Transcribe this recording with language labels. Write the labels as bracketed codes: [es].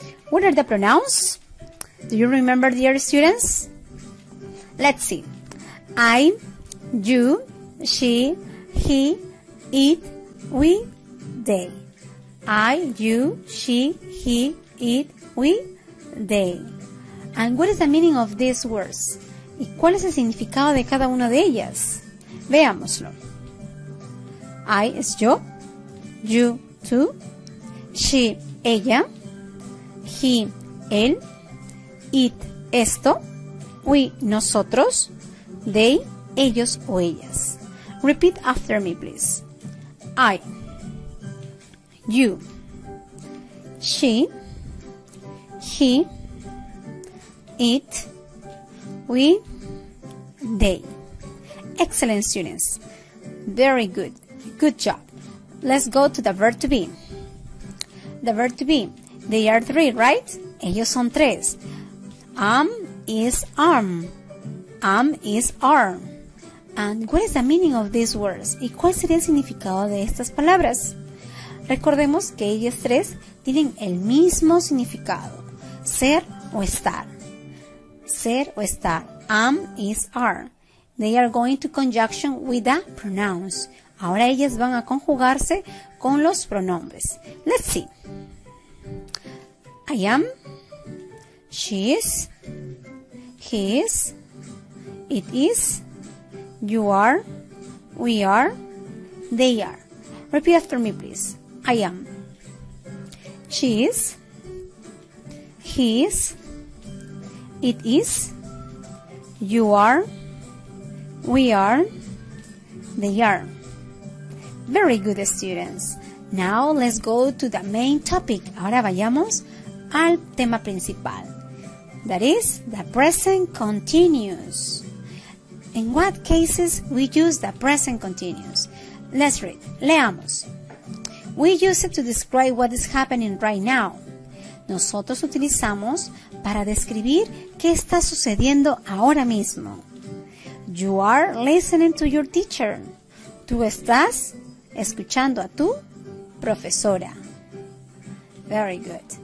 [en] What are the pronouns? Do you remember, dear students? Let's see. I, you, she, he, it, we, they. I, you, she, he, it, we, they. And what is the meaning of these words? [es] ¿Y cuál es el significado de cada una de ellas? Veámoslo. I es yo, you, tú, she, ella, he, él, it, esto, we, nosotros, they, ellos o ellas. [en] Repeat after me, please. I, you, she, he, it, we, they. Excellent, students. Very good. Good job. Let's go to the verb to be. The verb to be. They are three, right? [es] Ellos son tres. [en] Am is arm. Am is arm. And what is the meaning of these words? [es] ¿Y cuál sería el significado de estas palabras? Recordemos que ellas tres tienen el mismo significado. Ser o estar. Ser o estar. [en] Am is are. They are going to conjunction with the pronouns. [es] Ahora ellas van a conjugarse con los pronombres. [en] Let's see. I am. She is. He is. It is, you are, we are, they are. Repeat after me, please. I am, she is, he is, it is, you are, we are, they are. Very good, students. Now let's go to the main topic. [es] Ahora vayamos al tema principal. [en] That is the present continuous. In what cases we use the present continuous? Let's read. [es] Leamos. [en] We use it to describe what is happening right now. [es] Nosotros utilizamos para describir qué está sucediendo ahora mismo. [en] You are listening to your teacher. [es] Tú estás escuchando a tu profesora. [en] Very good.